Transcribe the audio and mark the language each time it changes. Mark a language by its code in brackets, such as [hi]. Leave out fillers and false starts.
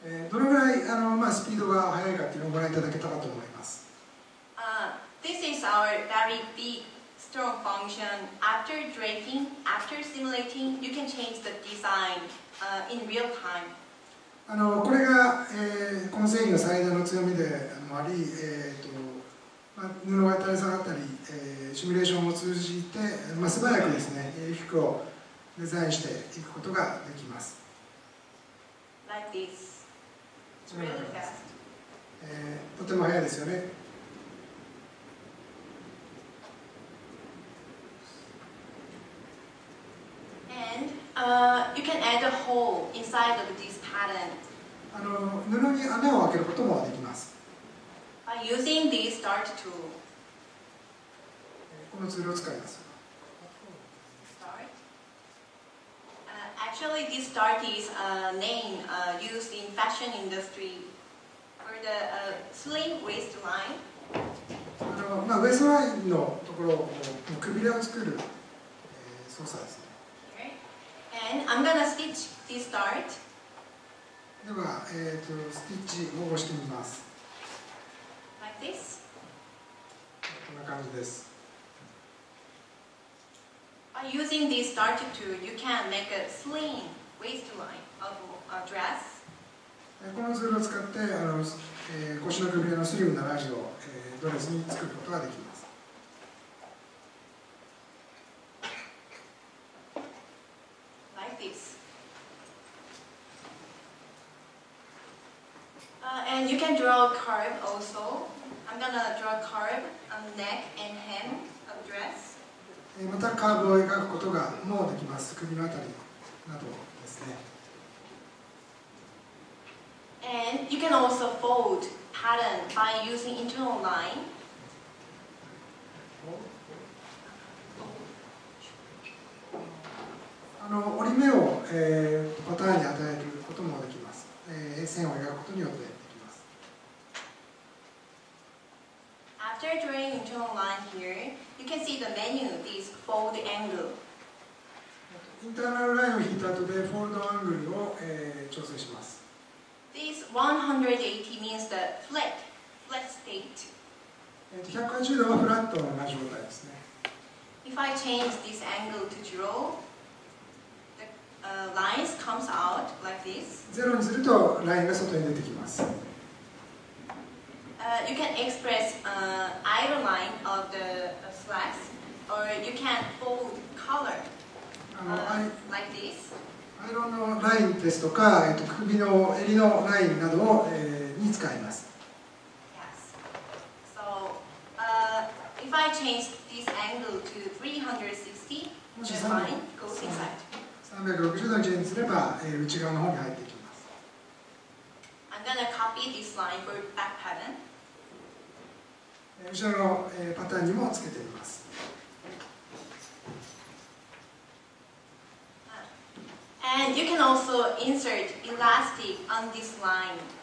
[ja] どれぐらいあの、まあ、スピードが速いかっていうのをご覧いただけたらと思います。 [en] This is our very big strong function. After draping, after simulating, you can change the design in real time. [ja] あのこれが、この繊維の最大の強みでもあり、まあ、布が垂れ下がったり、シミュレーションを通じて、まあ、素早くですね、服をデザインしていくことができます。 [en] Like this. It's really fast. [ja] とても速いですよね。 [en] And you can add a hole inside of this pattern. [ja] あの布に穴を開けることもできます。 [en] By using this dart tool. [ja] このツールを使います。 [en] Actually, this dart is a name used in fashion industry for the slim waistline. [ja] あの、まあ、ウエストラインのところをくびれを作る、操作ですね。 [en] Okay. And I'm gonna stitch this dart. [ja] では、スティッチを押してみます。 [en] Like this. [ja] こんな感じです。 [en] By using this dart tool, you can make a slim waistline of a dress. [ja] このツールを使ってあの、腰のくびれのスリムなラジを、ドレスに作ることができます。 [en] Like this. And you can draw a curve also. I'm gonna draw a curve on the neck and hem of dress. [ja] またカーブを描くことがもうできます。首のあたりなどですね。 [en] And you can also fold pattern by using internal line. [ja] あの折り目を、パターンに与えることもできます。線を描くことによってできます。 [en] After drawing internal line here. You can see the menu, this fold angle. [ja] インターナルラインを引いた後でフォールドアングルを、調整します。 [en] This 180 means the flat state. [ja] 180度はフラットな状態ですね。 [en] If I change this angle to zero, the lines comes out like this. [ja] ゼロにするとラインが外に出てきます。 [en] You can express either line of the slacks, or you can fold color like this. [ja] アイロンのラインですとか、首の襟のラインなどを、に使います。 [en] Yes. So, if I change this angle to 360, the line goes inside. 360 [ja] 度にチェンジすれば、内側の方に入ってきます。 [en] I'm gonna copy this line for back pattern. [ja] 後ろのパターンにもつけてみます。 [en] And you can also insert elastic on this line.